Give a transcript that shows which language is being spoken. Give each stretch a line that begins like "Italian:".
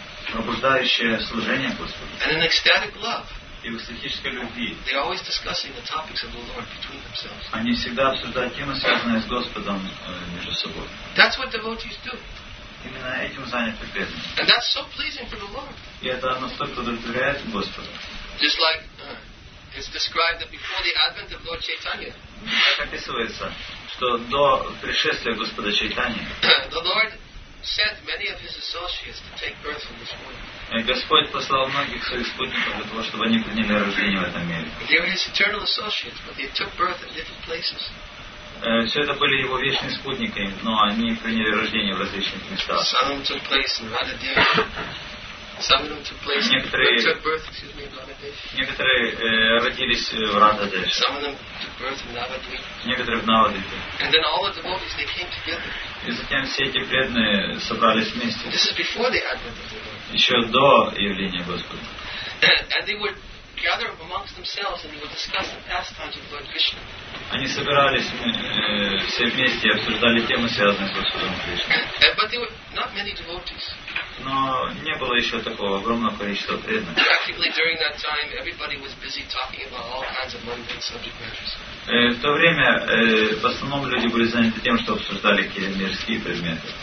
Russian: Пробуждающее служение Господу.
English: And an ecstatic love.
Russian: И в эстетической любви.
English: They are always discussing the topics of the Lord between themselves.
Russian: Они всегда обсуждают темы, связанные с Господом между собой.
English: That's what devotees do.
Russian: Именно этим заняты преданные.
English: And that's so pleasing to the Lord.
Russian: И это настолько удовлетворяет Господа.
English: Just like it's described that before the advent of Lord Chaitanya.
Russian: Так описывается, что до пришествия Господа Чайтаньи.
English: The Lord sent many of his associates to take birth in this world.
Russian: Господь послал многих своих спутников для того, чтобы они приняли рождение в этом мире.
English: They were his eternal associates, but they took birth in different places.
Russian: Все это были его вечные спутники, но они приняли рождение в различных местах.
English: Some of them took place in Radhadeva. Some of them took place.
Russian: Некоторые родились в Радхадеве.
English: Some of them took birth in Навадвипа.
Russian: Некоторые в Навадвипе.
English: And then all of the devotees they came together.
Russian: И затем все эти преданные собрались вместе.
English: This is before the advent of the Lord.
Russian: Еще до явления Господа.
English: And they would gather amongst themselves and they would discuss the pastimes of Lord Krishna.
Russian: Они собирались все вместе и обсуждали темы, связанные с Господом Кришной. Но не было еще такого огромного количества преданных. В то время в основном люди были заняты тем, что обсуждали мирские предметы.